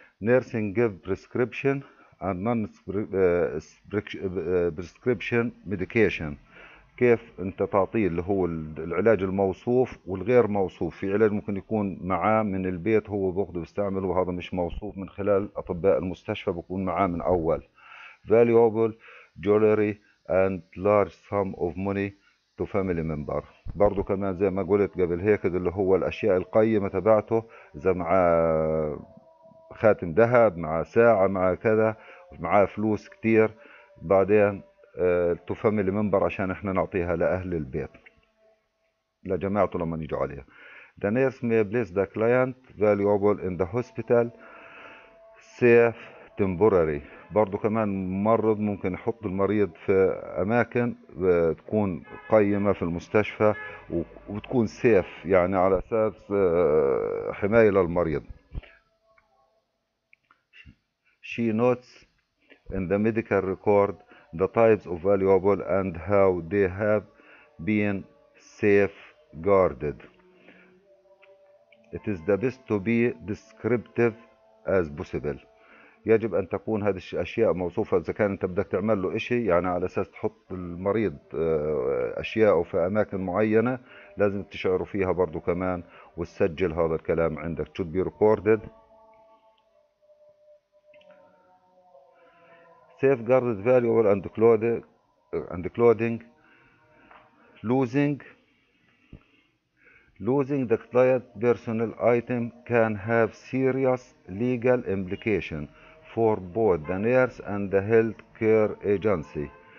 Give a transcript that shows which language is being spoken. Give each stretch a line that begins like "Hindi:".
English: nursing give prescription and non-prescription medication.
Arabic: كيف انت تعطيه اللي هو العلاج الموصوف والغير موصوف؟ في علاج ممكن يكون معاه من البيت هو بياخده بيستعمله وهذا مش موصوف من خلال اطباء المستشفى، بيكون معاه من اول.
English: valuable jewelry and large sum of money to family member.
Arabic: برضو كمان زي ما قلت قبل هيك اللي هو الاشياء القيمة تبعته، اذا معاه خاتم ذهب، معاه ساعة، معاه كذا، معاه فلوس كتير، بعدين
English: to family member
Arabic: عشان احنا نعطيها لاهل البيت لجماعته لما يجوا عليها.
English: The nurse may place the client valuable in the hospital safe temporary.
Arabic: برضو كمان ممرض ممكن يحط المريض في اماكن تكون قيمة في المستشفى وتكون سيف، يعني على اساس حماية للمريض.
English: She notes in the medical record the types of valuable and how they have been safeguarded. It is the best to be descriptive as possible.
Arabic: يجب أن تكون هذه الأشياء موصوفة. إذا كان أنت بدك تعمل له إشي يعني على أساس تحط المريض أشياءه في أماكن معينة، لازم تشعروا فيها برضو كمان وتسجل هذا الكلام عندك.
English: Should be recorded. safeguarded valuable and clothing losing the client personal item can have serious legal implication for both the nurse and the health care agency.